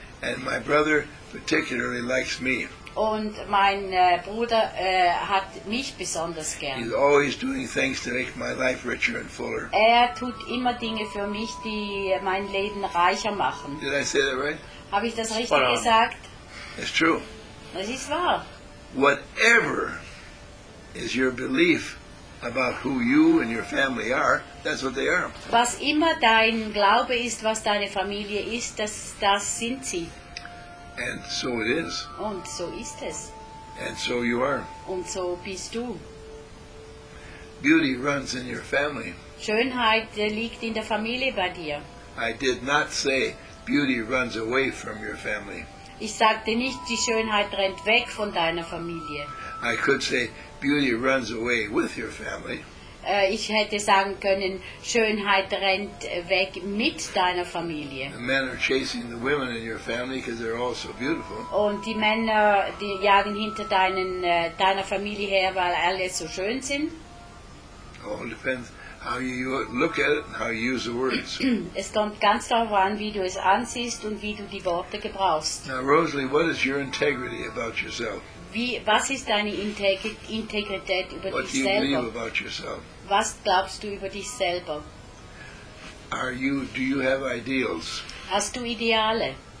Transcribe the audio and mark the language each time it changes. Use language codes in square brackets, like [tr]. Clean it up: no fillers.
[en] And my brother particularly likes me. [de] Und mein Bruder hat mich besonders gern. [en] He's always doing things to make my life richer and fuller. [de] Er tut immer Dinge für mich, die mein Leben reicher machen. [en] Did I say that right? [de] Habe ich das richtig gesagt? [en] It's true. [de] Das ist wahr. [en] Whatever is your belief about who you and your family are, that's what they are. [de] Was immer dein Glaube ist, was deine Familie ist, das sind sie. [en] And so it is. [de] Und so ist es. [en] And so you are. [de] Und so bist du. [en] Beauty runs in your family. [de] Schönheit liegt in der Familie bei dir. [en] I did not say beauty runs away from your family. [de] Ich sagte nicht, die Schönheit rennt weg von deiner Familie. [en] I could say beauty runs away with your family. [de] Ich hätte sagen können, Schönheit rennt weg mit deiner Familie. [en] The men are chasing the women in your family because they're all so beautiful. [de] Und die Männer, die jagen hinter deiner Familie her, weil alle so schön sind. [en] All depends how you look at it and how you use the words. [de] Es kommt ganz darauf an, wie du es ansiehst und wie du die Worte gebrauchst. [en] Now, Rosalie, what is your integrity about yourself? [de] Was ist deine Integrität über [en] what [de] dich selber? [en] What do you believe about yourself? [de] Was glaubst du über dich selber? [en] Do you have ideals? [de] Hast du Ideale?